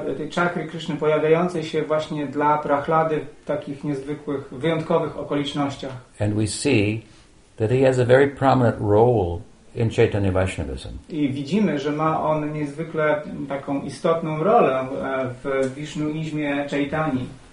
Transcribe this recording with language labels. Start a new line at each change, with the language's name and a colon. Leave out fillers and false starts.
Polish: Czakry Krishna pojawiającej się właśnie dla Prahlady w takich niezwykłych, wyjątkowych okolicznościach.
English: And we see that he has a very prominent role in Chaitanya Vaishnavism.
Polish: I widzimy, że ma on niezwykle taką istotną rolę w Wisznuizmie Chaitanyi.